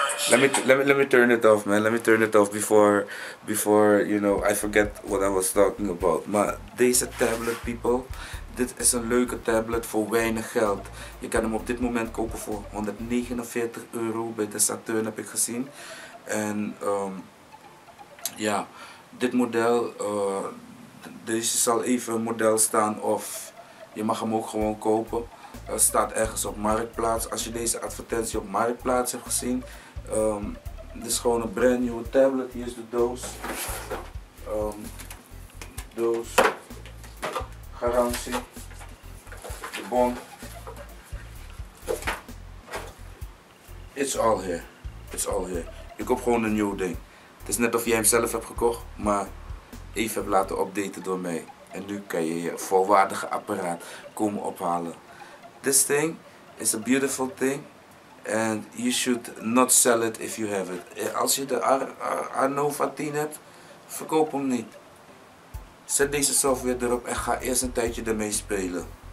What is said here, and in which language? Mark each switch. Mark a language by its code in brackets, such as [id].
[en] Let me turn it off, man. Let me turn it off before you know I forget what I was talking about. [nl] Maar deze tablet, [en] people. [nl] Dit is een leuke tablet voor weinig geld. Je kan hem op dit moment kopen voor €149 bij de Saturn, heb ik gezien. En ja, dit model, deze zal even een model staan, of je mag hem ook gewoon kopen. Staat ergens op Marktplaats. Als je deze advertentie op Marktplaats hebt gezien, dit is gewoon een brand nieuwe tablet. Hier is de doos. Doos. Garantie. De bon. [en] It's all here. [nl] Ik koop gewoon een nieuw ding. Het is net of jij hem zelf hebt gekocht, maar even hebt laten updaten door mij. En nu kan je je volwaardige apparaat komen ophalen. [en] This thing is a beautiful thing, and you should not sell it if you have it. [nl] Als je de ARNOVA 10 hebt, verkoop hem niet. Zet deze software erop en ga eerst een tijdje ermee spelen.